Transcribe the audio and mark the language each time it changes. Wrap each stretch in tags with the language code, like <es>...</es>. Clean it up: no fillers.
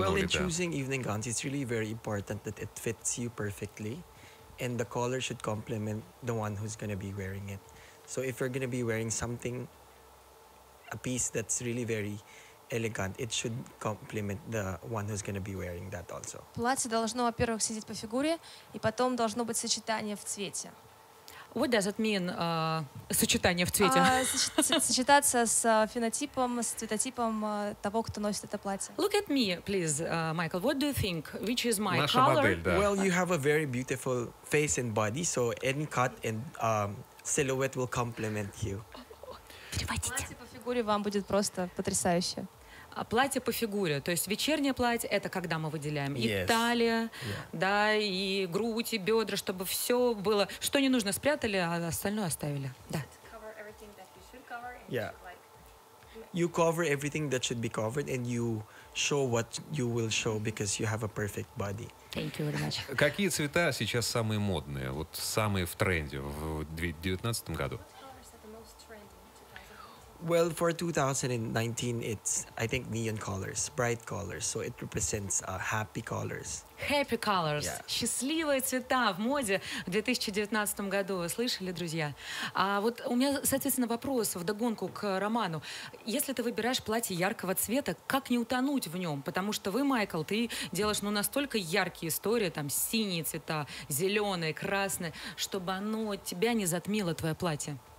<en>да. Well, in choosing evening gowns, it's really very important that it fits you perfectly, and the color should complement the one who's going to be wearing it. So if you're going to be wearing something, a piece that's really very elegant, it should complement the one who's going to be wearing that also.</en> <ru>Платье должно, во-первых, сидеть по фигуре, и потом должно быть сочетание в цвете.</ru> <en>What does it mean,</en> <ru>сочетание в цвете? Сочетаться с фенотипом, с цветотипом того, кто носит это платье.</ru> <en>Look at me, please, Michael. What do you think? Which is my</en> <ru>Наша</ru> <en>color?</en> <ru>Модель, да.</ru> <en>Well, you have a very beautiful face and body, so any cut and... silhouette will complement you.</en> <ru>Переводите. Платье по фигуре вам будет просто потрясающе. А платье по фигуре, то есть вечернее платье, это когда мы выделяем</ru> <en>yes.</en> <ru>и талия, yeah. да, и грудь, и бедра, чтобы все было, что не нужно, спрятали, а остальное оставили. Да.</ru> <en>Yeah. You cover everything that should be covered, and you show what you will show, because you have a perfect body. Thank you very much.</en> <ru>Какие цвета сейчас самые модные, вот самые в тренде в 2019 году?</ru> <en>Well, for 2019, it's, I think, neon colors, bright colors. So it represents happy colors. Happy colors. Yeah.</en> <ru>Счастливые цвета в моде в 2019 году. Вы слышали, друзья? А вот у меня, соответственно, вопрос вдогонку к Роману. Если ты выбираешь платье яркого цвета, как не утонуть в нем? Потому что вы, Майкл, ты делаешь настолько яркие истории, там синие цвета, зеленые, красные, чтобы оно тебя не затмило, твое платье.</ru>